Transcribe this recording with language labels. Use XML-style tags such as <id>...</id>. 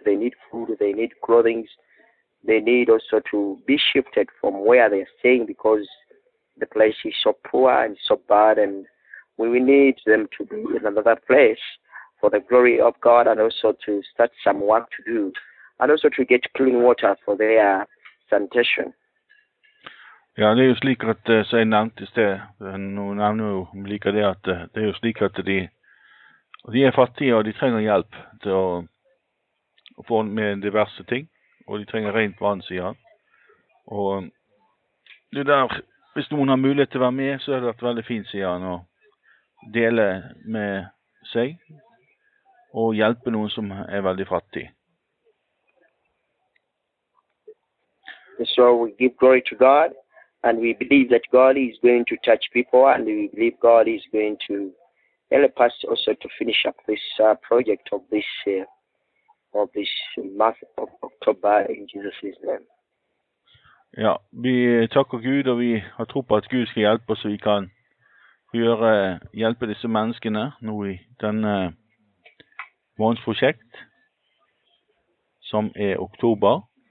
<en>They need food, they need clothing, they need also to be shifted from where they are staying, because the place is so poor and so bad, and we need them to be in another place for the glory of God, and also to start some work to do, and also to get clean water for their sanitation.</en> <no>Ja, det er jo slik at, som jeg nevnte i sted, nå nevner jo like det at det er jo slik at de er fattige, og de trenger hjelp til å få med diverse ting, og de trenger rent vann, sier han. Og det der, hvis noen har mulighet til å være med, så er det veldig fint, sier han, og dele med seg og hjelpe noen som er veldig fattig.</no> <en>So we give glory to God, and we believe that God is going to touch people, and we believe God is going to help us also to finish up this project of this month of October, in Jesus' name.</en> <no>Ja, vi takker Gud, og vi har tro på at Gud skal hjelpe oss så vi kan hjelpe disse menneskene nå i denne månedsprosjekt, som er oktober.</no>